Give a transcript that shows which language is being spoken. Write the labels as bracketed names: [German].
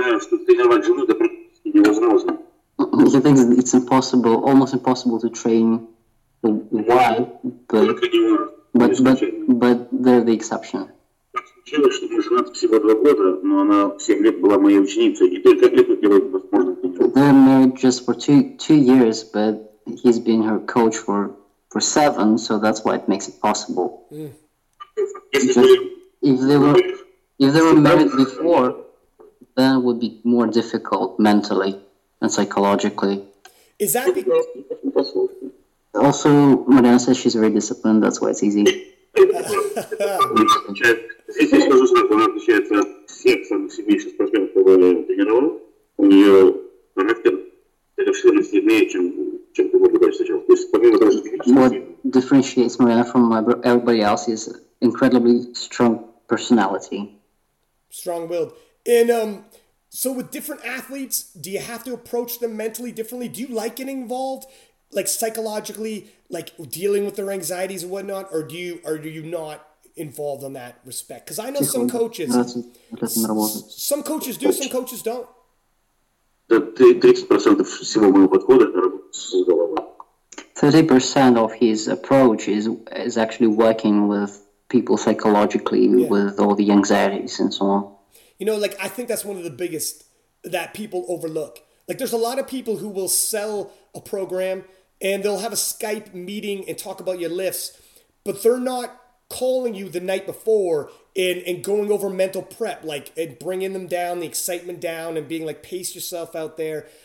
[English] He thinks it's impossible, almost impossible to train the wife, but they're the exception. [Russian] Случилось, что мы женаты всего 2 года, но она 7 лет была моей ученицей, и только это делает возможным. [English] They're married just for two years, but he's been her coach for 7, so that's why it makes it possible. If they were married before, then it would be more difficult mentally and psychologically. Is that because? Also, Mariana says she's very disciplined. That's why it's easy. [Russian] Если я скажу, что она отличается от всех самых сильнейших спортсменов, которые я тренировал, у нее характер совершенно сильнее, чем у кого-либо встречал. То есть, помимо того, что физически... [English] What differentiates Mariana from everybody else is incredibly strong personality. Strong-willed. And so with different athletes, do you have to approach them mentally differently? Do you like getting involved? Like psychologically, like dealing with their anxieties and whatnot, or do you not involved in that respect? Because I know some coaches do, some coaches don't. [Russian] 30% всего моего подхода это работа с головой. [English] 30% of his approach is actually working with people psychologically, yeah, with all the anxieties and so on. You know, like, I think that's one of the biggest that people overlook. Like, there's a lot of people who will sell a program and they'll have a Skype meeting and talk about your lifts, but they're not calling you the night before and going over mental prep, like, and bringing them down, the excitement down, and being like, pace yourself out there.